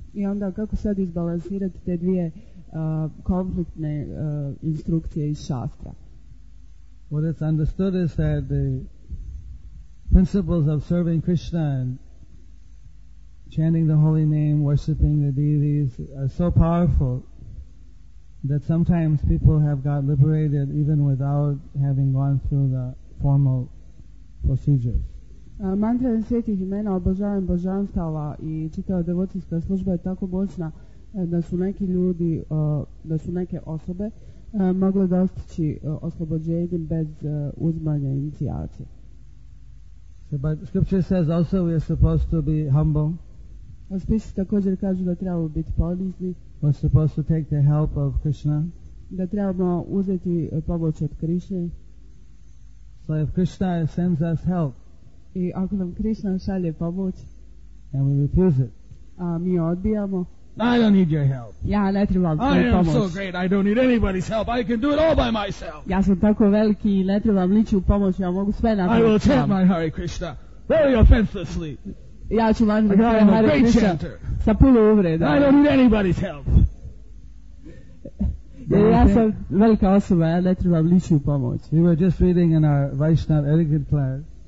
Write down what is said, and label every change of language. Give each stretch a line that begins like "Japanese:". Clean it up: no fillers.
Croatian: I onda kako sad izbalansirati te dvije konfliktne instrukcije iz Shastra?
English: What is understood is that the principles of serving Krishna and chanting the holy name, worshipping the deities are so powerful that sometimes people have got liberated even without having gone through the formal procedures.
Croatian: Mantra svetih imena, obožavanje božanstava i čitava devocijska služba je tako moćna da su neki ljudi, da su neke osobe mogle dostići oslobođenje bez uzmanja inicijacije.
English: So, but scripture says also we are supposed to be humble.
Croatian: A spisi također kažu da trebamo biti ponizni.
English: We're supposed to take the help of Krishna.
Croatian: Da trebamo uzeti pomoć od Krishne.
English: So if Krishna sends us help,
Croatian: I ako nam Krishna šalje pomoć,
English: and we refuse it,
Croatian: a mi odbijamo,
English: I don't need your help.
Croatian: Ja ne trebam tvoju pomoć.
English: I am so great, I don't need anybody's help. I can do it all by myself.
Croatian: Ja sam tako veliki, ne trebam ničiju pomoć, ja mogu sve napraviti.
English: I will chant my Hare Krishna very offensively.
Croatian: Ja ću manj da kajem Hare Krishna sa puno uvreda.
English: I don't need anybody's help.
Croatian: Ja sam velika osoba, ja ne trebam ničiju pomoć.
English: We were just reading in our Vaishnava etiquette class.